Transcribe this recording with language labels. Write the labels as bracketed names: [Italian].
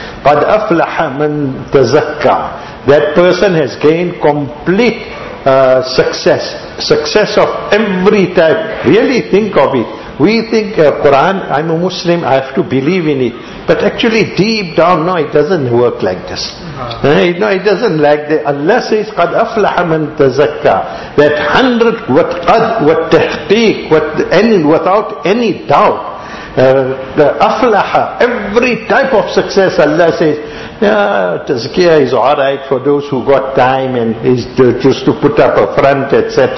[Arabic] قَدْ أَفْلَحَ مَنْ تَزَكَّى. [English] That person has gained complete success of every type. Really think of it. We think Quran, I'm a Muslim, I have to believe in it. But actually deep down, no, it doesn't work like this. No, it doesn't like that. Allah says, [Arabic] قَدْ أَفْلَحَ مَنْ تَزَكَّى. [English] That 100 with [Arabic] قَدْ وَالتَّحْقِيق, [English] without any doubt. The aflaha, every type of success, Allah says, tazkiyah is alright for those who got time and is just to put up a front, etc.